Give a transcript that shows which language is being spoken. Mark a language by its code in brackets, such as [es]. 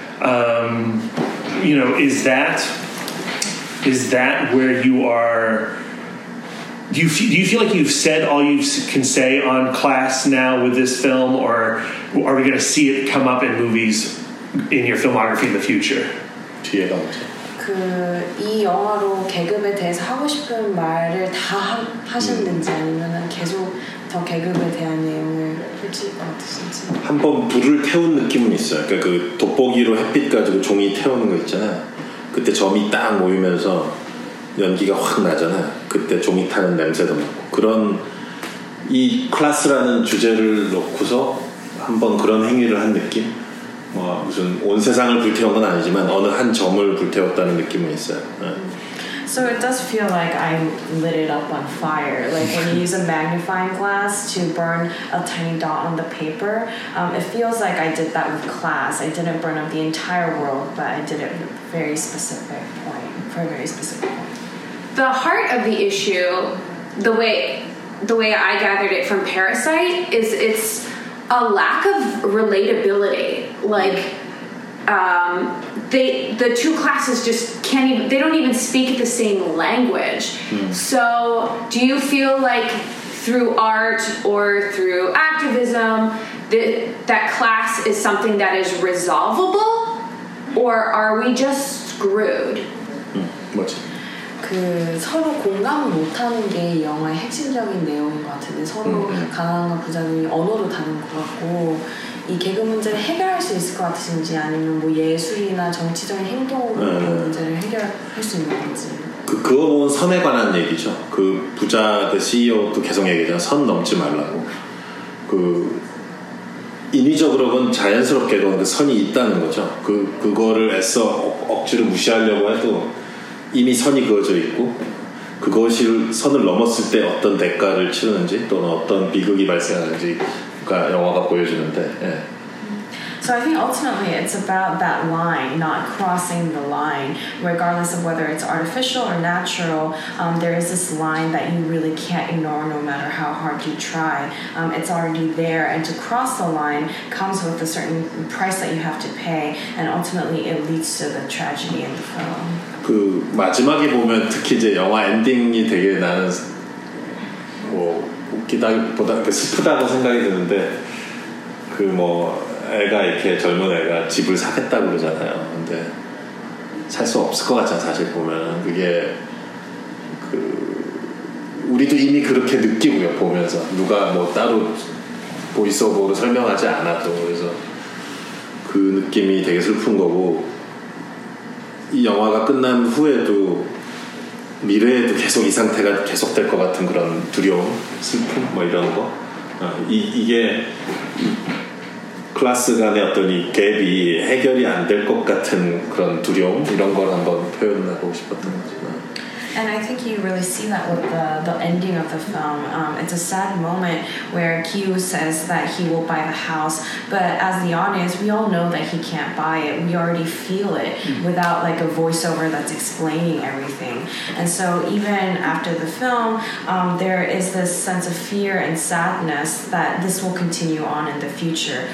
[en] Mm-hmm. You know, is that where you are? Do you feel like you've said all you can say on class now with this film, or are we going to see it come up in movies in your filmography in the future? [ko] 뒤에 나오죠. 그 이 영화로 계급에 대해서 하고 싶은 말을 다 하셨는지 아니면은 계속 더 계급에 대한 내용을 풀지 어떠신지. 한번 불을 태운 느낌은 있어요. 그러니까 그 돋보기로 햇빛 가지고 종이 태우는 거 있잖아요. 그때 점이 딱 모이면서 연기가 확 나잖아. 그때 종이 타는 냄새도 맡고 그런 이 클래스라는 주제를 놓고서 한번 그런 행위를 한 느낌. 뭐 무슨 온 세상을 불태운 건 아니지만 어느 한 점을 불태웠다는 느낌은 있어요. [en] So it does feel like I lit it up on fire. Like when you use a magnifying glass to burn a tiny dot on the paper, it feels like I did that with class. I didn't burn up the entire world, but I did it at a very specific point for a very specific point. The heart of the issue, the way I gathered it from Parasite, is it's a lack of relatability. Like, the two classes just can't even, they don't even speak the same language. Mm. So do you feel like through art or through activism that class is something that is resolvable, or are we just screwed? Mm. What? 그 [ko] 그 서로 공감을 못하는 게 이 영화의 핵심적인 내용인 것 같은데 서로 가난과 부자는 언어로 다른 것 같고 이 계급 문제를 해결할 수 있을 것 같은지 아니면 뭐 예술이나 정치적인 행동으로 이 문제를 해결할 수 있는 건지 그어본 선에 관한 얘기죠. 그 부자 그 CEO도 계속 얘기하잖아. 선 넘지 말라고. 그 인위적으로건 자연스럽게건 그 선이 있다는 거죠. 그거를 애써 억지로 무시하려고 해도 이미 선이 그어져 있고 그것이 선을 넘었을 때 어떤 대가를 치르는지 또는 어떤 비극이 발생하는지 그러니까 영화가 보여주는데. 예. [en] So I think ultimately it's about that line, not crossing the line, regardless of whether it's artificial or natural, there is this line that you really can't ignore no matter how hard you try. It's already there, and to cross the line comes with a certain price that you have to pay, and ultimately it leads to the tragedy in the film. [ko] 그 마지막에 보면 특히 이제 영화 엔딩이 되게 나는 뭐 웃기다기보다 그 슬프다고 생각이 드는데 그 뭐 애가 이렇게 젊은 애가 집을 사겠다고 그러잖아요. 근데 살 수 없을 것 같잖아. 사실 보면 그게 그 우리도 이미 그렇게 느끼고요. 보면서 누가 뭐 따로 보이스오버로 설명하지 않아도 그래서 그 느낌이 되게 슬픈 거고 이 영화가 끝난 후에도 미래에도 계속 이 상태가 계속될 것 같은 그런 두려움, 슬픔 뭐 이런 거 이게 클래스 간의 어떤 이 갭이 해결이 안 될 것 같은 그런 두려움 이런 걸 한번 표현하고 싶었던 거죠. [en] And I think you really see that with the ending of the film. It's a sad moment where Kyu says that he will buy the house, but as the audience, we all know that he can't buy it. We already feel it without like a voiceover that's explaining everything. And so even after the film, there is this sense of fear and sadness that this will continue on in the future.